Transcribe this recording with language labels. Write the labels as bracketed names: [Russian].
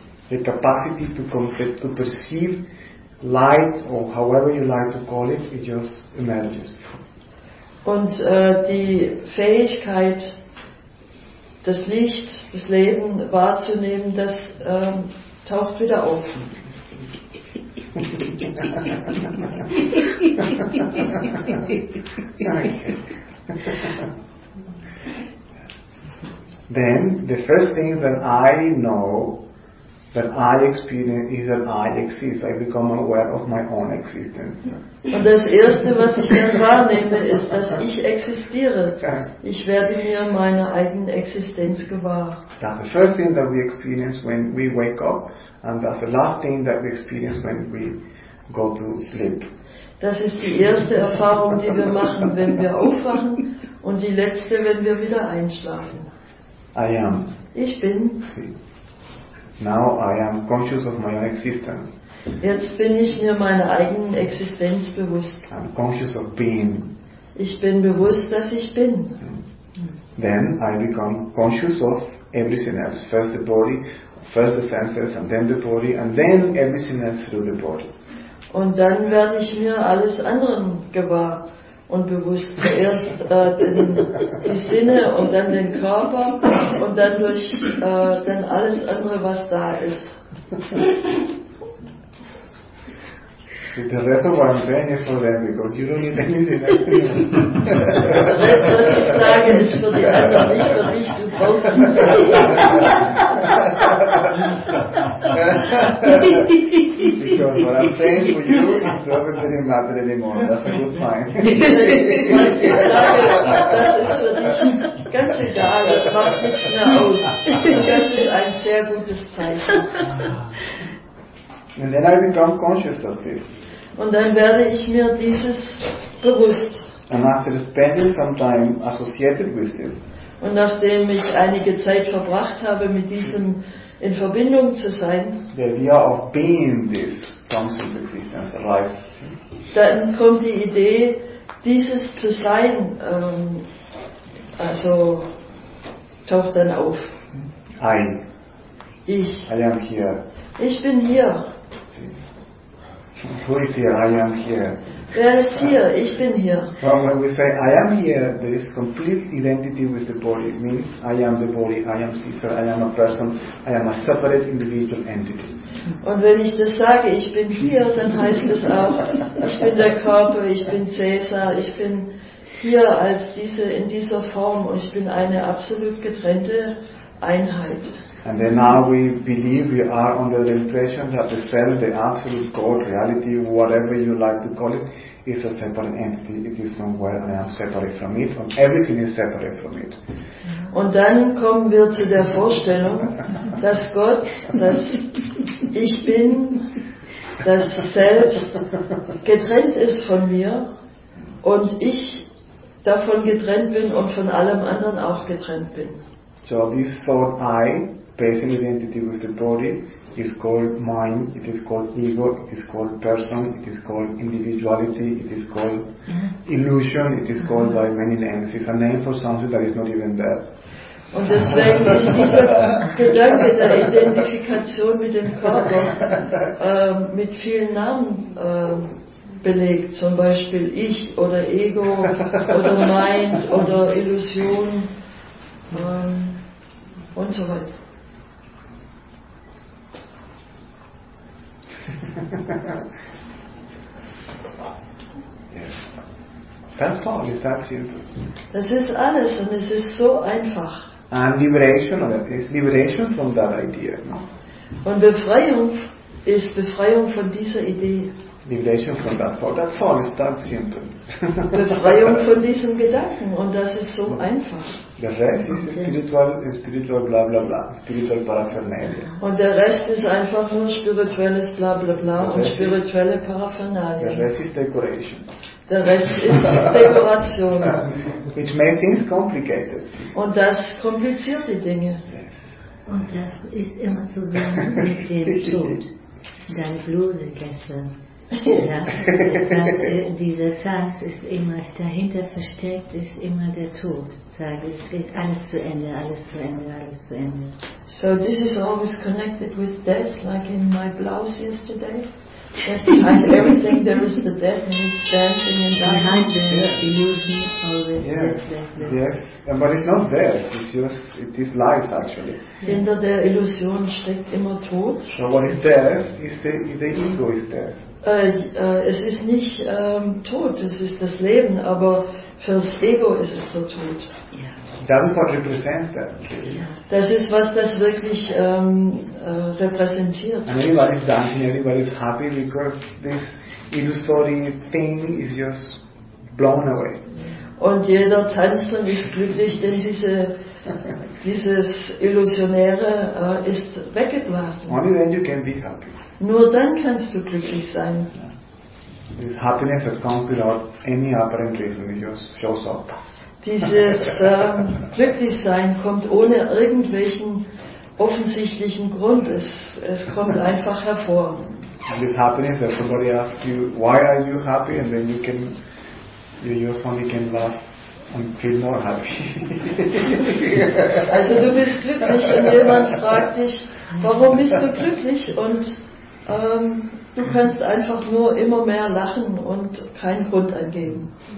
[English] The capacity to perceive light or however you like to call it, it just emerges. [German] Und die Fähigkeit, das Licht, das Leben wahrzunehmen, das taucht wieder auf. [English] Then the first thing that I know, that I experience, is that I exist. I become aware of my own existence. [German] Und das erste, was ich dann wahrnehme, ist, dass ich existiere. Ich werde mir meiner eigenen Existenz gewahr. [English] That's the first thing that we experience when we wake up, and that's the last thing that we experience when we go to sleep. [German] Das ist die erste Erfahrung, die wir machen, wenn wir aufwachen, und die letzte, wenn wir wieder einschlafen. [English] I am. [German] Ich bin. [English] See. Now I am conscious of my own existence. [German] Jetzt bin ich mir meiner eigenen Existenz bewusst. [English] I'm conscious of being. [German] Ich bin bewusst, dass ich bin. [English] Then I become conscious of everything else. First the body, first the senses, and then the body, and then everything else through the body. [German] Und dann werde ich mir alles anderen gewahr und bewusst. Zuerst die Sinne und dann den Körper und dann durch dann alles andere, was da ist. [English] The rest of what I'm saying is for them, because you don't need anything else. [German] Der Rest, was ich sage, ist für die anderen, nicht für dich, du brauchst nichts. [English] Because what I'm saying for you, it doesn't really matter anymore, that's a good sign. [German] Ich sage, das ist für dich ganz egal, das macht nichts mehr aus. Das ist ein sehr gutes Zeichen. [English] And then I become conscious of this. [German] Und dann werde ich mir dieses bewusst. [English] And after spending some time associated with this, [German] und nachdem ich einige Zeit verbracht habe, mit diesem in Verbindung zu sein, [English] the idea of being this comes into existence, right? [German] Dann kommt die Idee, dieses zu sein, also taucht dann auf. [English] I. [German] Ich. [English] I am here. [German] Ich bin hier. [English] Who is here? I am here. [German] Wer ist hier? Ich bin hier. [English] Well, when we say I am here, there is complete identity with the body. It means I am the body, I am Caesar, I am a person, I am a separate individual entity. [German] Und wenn ich das sage, ich bin hier, dann heißt es auch, ich bin der Körper, ich bin Caesar, ich bin hier als diese, in dieser Form und ich bin eine absolut getrennte Einheit. [English] And then now we believe we are under the impression that the self, the absolute God, reality, whatever you like to call it, is a separate entity. It is somewhere I am separate from it. And everything is separate from it. [German] Und dann kommen wir zu der Vorstellung, dass Gott, dass ich bin, das Selbst getrennt ist von mir und ich davon getrennt bin und von allem anderen auch getrennt bin. [English] So this thought I, basic identity with the body, is called mind, it is called ego, it is called person, it is called individuality, it is called illusion, it is called by many names. It's a name for something that is not even there. [German] Und deswegen ist dieser Gedanke der Identifikation mit dem Körper mit vielen Namen belegt, zum Beispiel Ich oder Ego oder Mind oder Illusion und so weiter. [English] That's all, it's that simple. [German] Das ist alles und es ist so einfach. [English] And liberation, it's liberation from that idea. [German] Und Befreiung ist Befreiung von dieser Idee. [English] Liberation from that thought, that's all, it's that simple. [German] Befreiung von diesem Gedanken und das ist so einfach. [English] The rest is spiritual bla bla bla, spiritual paraphernalia. [German] Und der Rest ist einfach nur spirituelles bla bla bla und spirituelle Paraphernalia. [English] The rest is decoration. [German] Der Rest ist Dekoration. [English] Which makes things complicated. [German] Und das kompliziert die Dinge. [English] Yes. [German] Und das ist immer zusammen mit dem Tod. Deine Bluse gestern. Ja. Dieser Tag ist immer, dahinter versteckt ist immer der Tod. Sage, es geht alles zu Ende, alles zu Ende, alles zu Ende. [English] So this is always connected with death, like in my blouse yesterday. Everything there is the death and it's dancing and behind the illusion always. Yeah. Yes, but it's not death, it's just, it is life actually. [German] Hinter der Illusion steckt immer Tod. [English] So what is death? Is the ego is death. [German] Es ist nicht Tod, es ist das Leben, aber fürs Ego ist es der Tod. [English] That is what represents that. [German] Das ist, was das wirklich repräsentiert. [English] And everybody is dancing, everybody is happy because this illusory thing is just blown away. [German] Und jeder tanzt und ist glücklich, denn dieses Illusionäre ist weggeblasen. [English] Only then you can be happy. [German] Nur dann kannst du glücklich sein. [English] Yeah. This happiness that comes without any apparent reason, it just shows up. [German] Dieses Glücklichsein kommt ohne irgendwelchen offensichtlichen Grund. Es kommt einfach hervor. [English] And this happiness that somebody asks you, why are you happy? And then you just only can laugh and feel more happy. [German] Also du bist glücklich und jemand fragt dich, warum bist du glücklich? Und du kannst einfach nur immer mehr lachen und keinen Grund angeben.